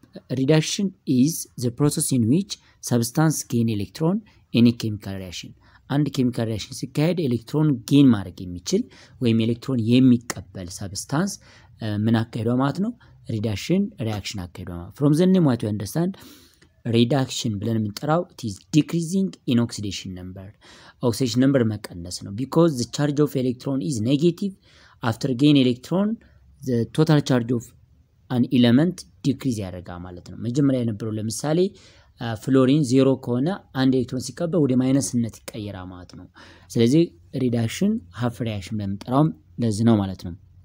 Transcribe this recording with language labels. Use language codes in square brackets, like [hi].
[en] reduction is the process in which substance gain electron in a chemical reaction. [am] አንድ ኬሚካል ሪአክሽን ሲካሄድ ኤሌክትሮን ጌን ማድረግ የሚችል ወይም ኤሌክትሮን የሚቀበል ሰብስታንስ ምን አካሄዷ ማለት ነው? ሪዳክሽን ሪአክሽን አካሄዷ ማለት ነው። [en] ፍሮም ዘ ኔም ዋት ዩ አንደርስታንድ [am] reduction ብለን የምንጠራው [en] it is decreasing in oxidation number [am] oxidation number መቀነስ ነው [en] because the charge of electron is negative after gain electron the total charge of an element decrease [am] ያደርጋ ማለት ነው። መጀመሪያ የነበረው ለምሳሌ ፍሎሪን 0 ከሆነ አንድ ኤሌክትሮን ሲቀበል ወደ ማይነስነት ይቀየራ ማለት ነው። ስለዚህ reduction half reaction ብለን የምንጠራው ለዚህ ነው ማለት ነው።